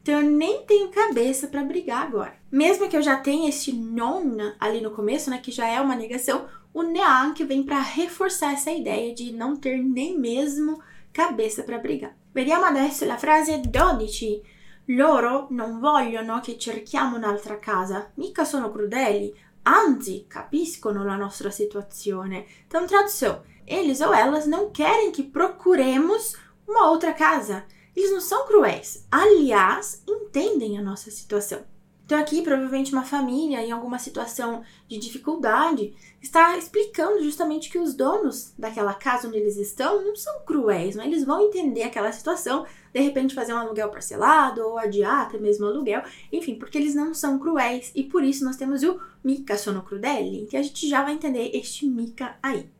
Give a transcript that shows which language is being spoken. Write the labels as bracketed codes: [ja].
[pt] Então, eu nem tenho cabeça para brigar agora. Mesmo que eu já tenha esse non ali no começo, né, que já é uma negação, o neanche vem para reforçar essa ideia de não ter nem mesmo cabeça para brigar. [it] Vediamo adesso la frase 12. Loro non vogliono che cerchiamo un'altra casa. Mica sono crudeli, anzi capiscono la nostra situazione. [pt] Então, tradução. Eles ou elas não querem que procuremos uma outra casa. Eles não são cruéis. Aliás, entendem a nossa situação. Então, aqui, provavelmente, uma família em alguma situação de dificuldade está explicando justamente que os donos daquela casa onde eles estão não são cruéis, mas eles vão entender aquela situação, de repente fazer um aluguel parcelado ou adiar até mesmo um aluguel, enfim, porque eles não são cruéis e por isso nós temos o [it] mica sono crudele, [pt] que a gente já vai entender este mica aí.